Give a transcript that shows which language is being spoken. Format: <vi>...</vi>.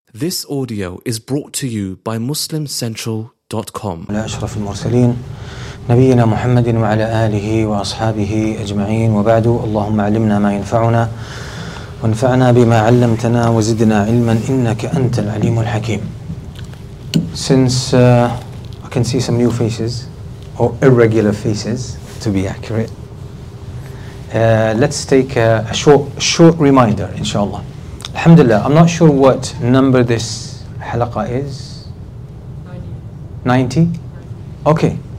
<en>This audio is brought to you by MuslimCentral.com.</en> <ar>على أشرف المرسلين نبينا محمد وعلى آله وأصحابه أجمعين وبعد اللهم علمنا ما ينفعنا وانفعنا بما علمتنا وزدنا علما إنك أنت العليم الحكيم.</ar> <en>Since I can see some new faces or irregular faces to be accurate, let's take a short reminder inshallah. Alhamdulillah, I'm not sure what number this halaqa is. 90? Okay.</en>